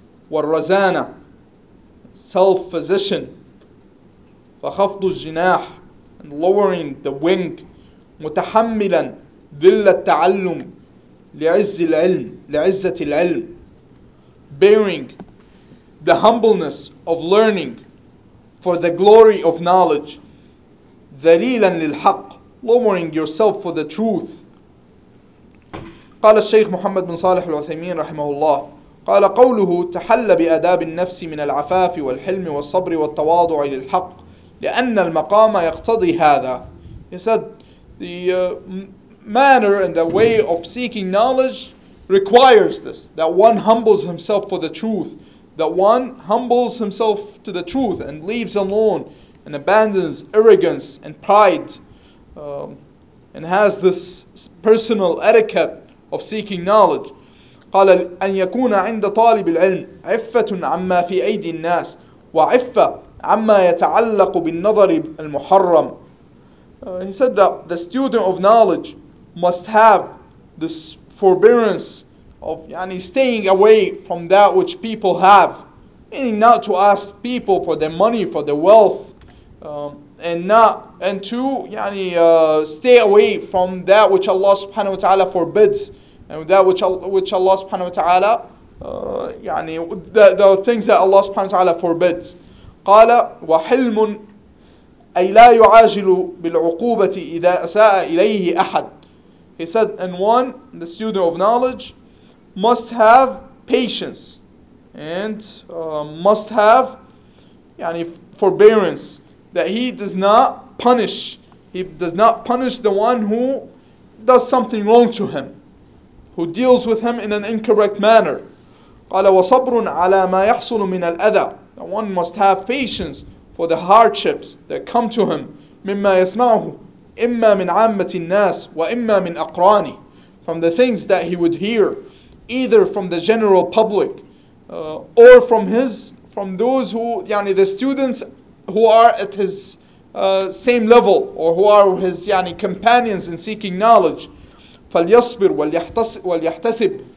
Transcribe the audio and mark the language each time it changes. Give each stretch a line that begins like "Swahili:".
Arabic: والرزانة
English: self-possession
Arabic: فخفض الجناح
English: and lowering the wing
Arabic: متحملا ذل التعلم لعز العلم لعزة العلم
English: bearing the humbleness of learning for the glory of knowledge
Arabic: ذليلا للحق
English: lowering yourself for the truth.
Arabic: قال الشيخ محمد بن صالح العثيمين رحمه الله قال قوله تحل بأداب النفس من العفاف والحلم والصبر والتواضع للحق لأن المقام يقتضي هذا.
English: He said the manner and the way of seeking knowledge requires this, that one humbles himself for the truth, that one humbles himself to the truth and leaves alone and abandons arrogance and pride and has this personal etiquette of seeking knowledge.
Arabic: قال أن يكون عند طالب العلم عفة عما في أيدي الناس وعفة عما يتعلق بالنظر المحرم.
English: He said that the student of knowledge must have this forbearance of يعني staying away from that which people have, meaning not to ask people for their money, for their wealth, and to stay away from that which Allah subhanahu wa ta'ala forbids, and that which Allah subhanahu wa ta'ala the things that Allah subhanahu wa ta'ala forbids.
Arabic: قال وحلم أي لا يعاجل بالعقوبة إذا أساء إليه أحد.
English: He said and one, the student of knowledge must have patience and must have forbearance that he does not punish the one who does something wrong to him, who deals with him in an incorrect manner.
Arabic: قال وصبر على ما يحصل من الأذى.
English: One must have patience for the hardships that come to him.
Arabic: مما يسمعه إما من عامة الناس وإما من أقرانه.
English: From the things that he would hear, either from the general public or from the students who are at his same level or who are his companions in seeking knowledge.
Arabic: فليصبر وليحتسب.